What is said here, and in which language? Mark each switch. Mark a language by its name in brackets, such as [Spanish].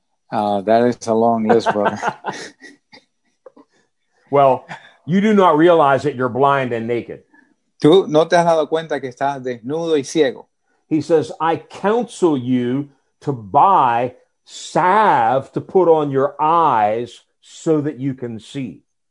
[English] Oh, that is a long list, brother. Well, you do not realize that you're blind and naked. [Spanish] Tú no te has dado cuenta que estás desnudo y ciego. [English] He says, I counsel you to buy salve to put on your eyes so that you can see.